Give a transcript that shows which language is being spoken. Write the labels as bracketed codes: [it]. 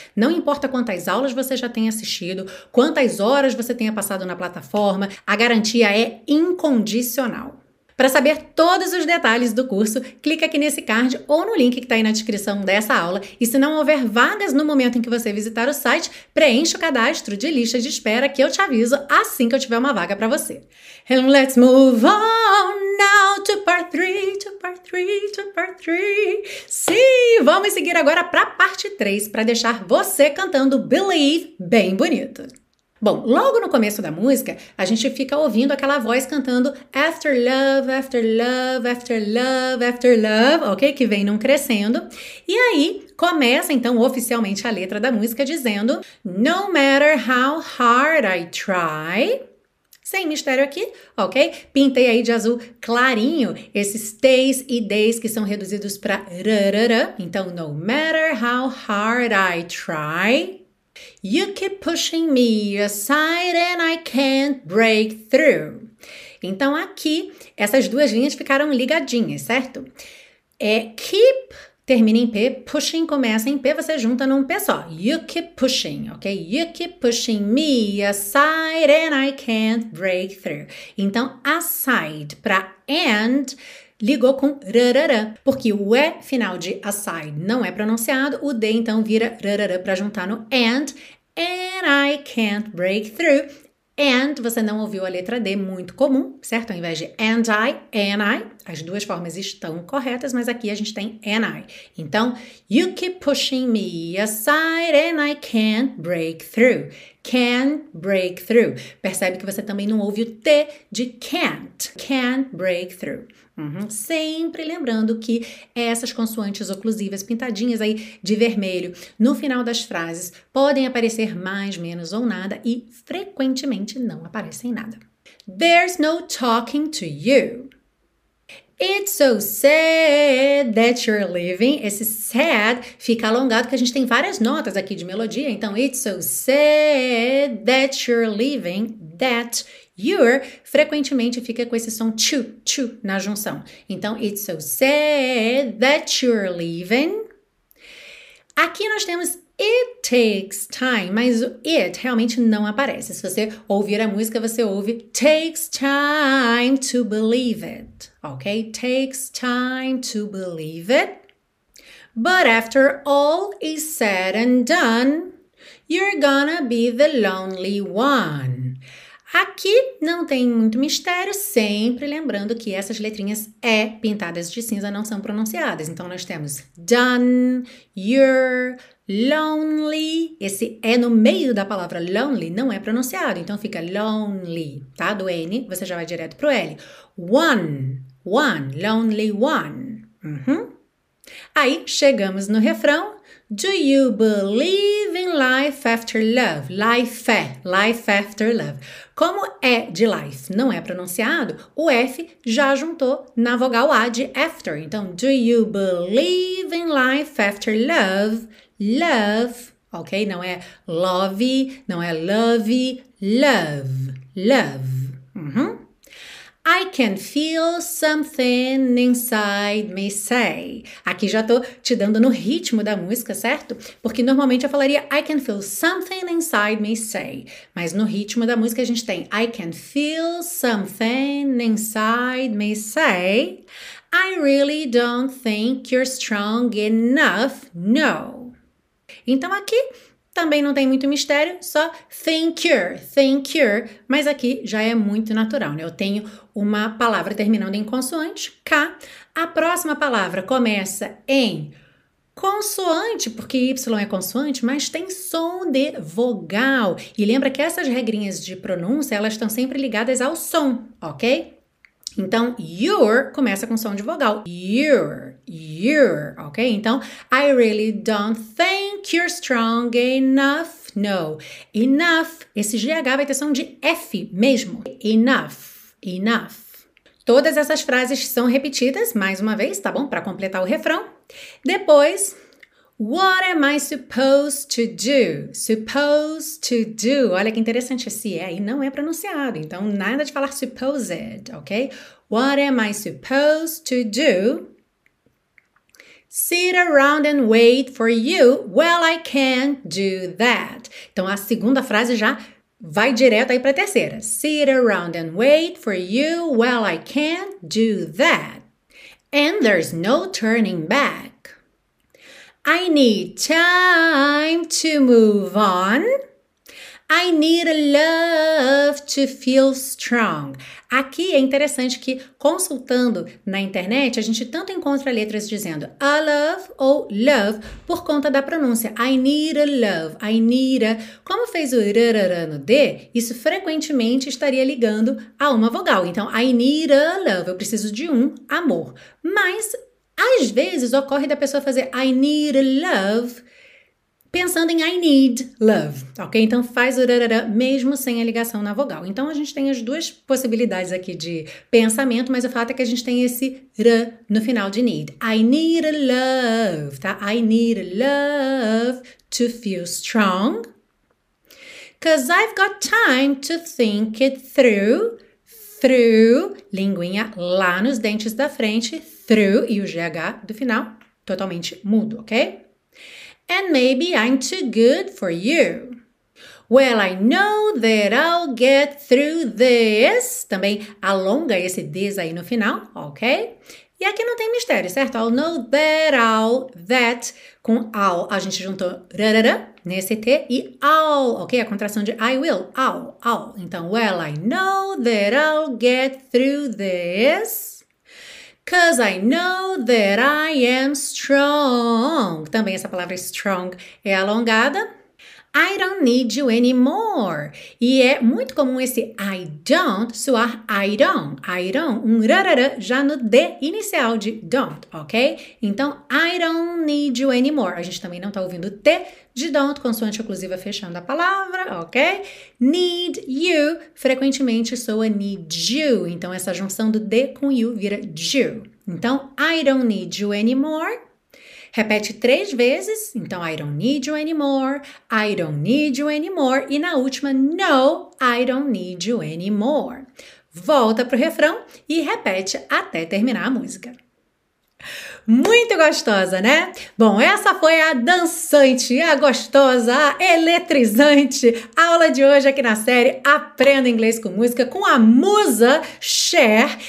[pt] Não importa quantas aulas você já tenha assistido, quantas horas você tenha passado na plataforma, a garantia é incondicional. Para saber todos os detalhes do curso, clica aqui nesse card ou no link que está aí na descrição dessa aula. E se não houver vagas no momento em que você visitar o site, preencha o cadastro de lista de espera que eu te aviso assim que eu tiver uma vaga para você. [en] And let's move on now to part 3, to part 3, to part 3. [pt] Sim, vamos seguir agora para a parte 3 para deixar você cantando Believe bem bonito. Bom, logo no começo da música, a gente fica ouvindo aquela voz cantando [en] After love, after love, after love, [pt] after love, ok? Que vem num crescendo. E aí, começa então oficialmente a letra da música dizendo [en] No matter how hard I try. [pt] Sem mistério aqui, ok? Pintei aí de azul clarinho esses T's e D's que são reduzidos para rarara. [en] Então, no matter how hard I try. You keep pushing me aside and I can't break through. [pt] Então, aqui, essas duas linhas ficaram ligadinhas, certo? É keep, termina em P, pushing começa em P, você junta num P só. [en] You keep pushing, ok? You keep pushing me aside and I can't break through. [pt] Então, aside para and ligou com rarara, porque o E final de aside não é pronunciado, o D então vira rarara para juntar no [en] and I can't break through, [pt] and você não ouviu a letra D, muito comum, certo? Ao invés de and I, as duas formas estão corretas, mas aqui a gente tem and I. [en] Então, you keep pushing me aside and I can't break through, can't break through. [pt] Percebe que você também não ouve o T de can't break through. Uhum. Sempre lembrando que essas consoantes oclusivas pintadinhas aí de vermelho no final das frases podem aparecer mais, menos ou nada e frequentemente não aparecem nada. [en] There's no talking to you. It's so sad that you're leaving. [pt] Esse sad fica alongado, porque a gente tem várias notas aqui de melodia. Então, [en] it's so sad that you're leaving, that you're, [pt] frequentemente fica com esse som to, to na junção. [en] Então, it's so sad that you're leaving. [pt] Aqui nós temos it takes time, mas o it realmente não aparece. Se você ouvir a música, você ouve [en] takes time to believe it, [pt] ok? [en] Takes time to believe it. But after all is said and done, you're gonna be the lonely one. [pt] Aqui não tem muito mistério, sempre lembrando que essas letrinhas E pintadas de cinza não são pronunciadas. Então nós temos done, you're, lonely. Esse E no meio da palavra lonely não é pronunciado, então fica lonely, tá? Do N você já vai direto pro L. [en] One, one, lonely one. [pt] Aí chegamos no refrão. [en] Do you believe in life after love? Life after love. [pt] Como é de life não é pronunciado, o F já juntou na vogal A de after. [en] Então, do you believe in life after love? Love, ok? [pt] Não é love, não é love, love, love. [en] I can feel something inside me say. [pt] Aqui já tô te dando no ritmo da música, certo? Porque normalmente eu falaria [en] I can feel something inside me say. [pt] Mas no ritmo da música a gente tem [en] I can feel something inside me say. I really don't think you're strong enough. No. [pt] Então aqui também não tem muito mistério, só think you're, mas aqui já é muito natural, né? Eu tenho uma palavra terminando em consoante, K. A próxima palavra começa em consoante, porque Y é consoante, mas tem som de vogal. E lembra que essas regrinhas de pronúncia, elas estão sempre ligadas ao som, ok? Então, your começa com som de vogal. Your, ok? [en] Então, I really don't think you're strong enough. No. Enough. [pt] Esse GH vai ter som de F mesmo. Enough. Enough. Todas essas frases são repetidas mais uma vez, tá bom? Para completar o refrão. [en] Depois, what am I supposed to do? Supposed to do. [pt] Olha que interessante esse E aí não é pronunciado. Então, nada de falar supposed, ok? [en] What am I supposed to do? Sit around and wait for you? Well, I can't do that. [pt] Então a segunda frase já vai direto aí para a terceira. [en] Sit around and wait for you? Well, I can't do that. And there's no turning back. I need time to move on. I need a love to feel strong. [pt] Aqui é interessante que, consultando na internet, a gente tanto encontra letras dizendo a love ou love por conta da pronúncia. [en] I need a love, I need a. [pt] Como fez o rrr no D, isso frequentemente estaria ligando a uma vogal. Então, [en] I need a love, [pt] eu preciso de um amor. Mas, às vezes, ocorre da pessoa fazer I need a love. Pensando em [en] I need love, [pt] ok? Então faz o rarara mesmo sem a ligação na vogal. Então a gente tem as duas possibilidades aqui de pensamento, mas o fato é que a gente tem esse r no final de need. [en] I need a love, tá? I need a love to feel strong. Cause I've got time to think it through. [pt] Through, linguinha lá nos dentes da frente, through e o GH do final totalmente mudo, ok? [en] And maybe I'm too good for you. Well, I know that I'll get through this. [pt] Também alonga esse this aí no final, ok? E aqui não tem mistério, certo? [en] I'll know that [pt] com I'll. A gente juntou rarara nesse T e I'll, ok? A contração de I will. [en] I'll. Então, well, I know that I'll get through this. Cause I know that I am strong. [pt] Também essa palavra strong é alongada. [en] I don't need you anymore. [pt] E é muito comum esse [en] I don't soar I don't. [pt] I don't, um rarara já no D inicial de don't, ok? Então, [en] I don't need you anymore. [pt] A gente também não está ouvindo T de don't, consoante oclusiva fechando a palavra, ok? Need you frequentemente soa need you. Então, essa junção do D com you vira you. Então, [en] I don't need you anymore. [pt] Repete três vezes, então [en] I don't need you anymore, I don't need you anymore, [pt] e na última, [en] no, I don't need you anymore. [pt] Volta pro refrão e repete até terminar a música. Muito gostosa, né? Bom, essa foi a dançante, a gostosa, a eletrizante aula de hoje aqui na série Aprenda Inglês com Música com a musa Cher.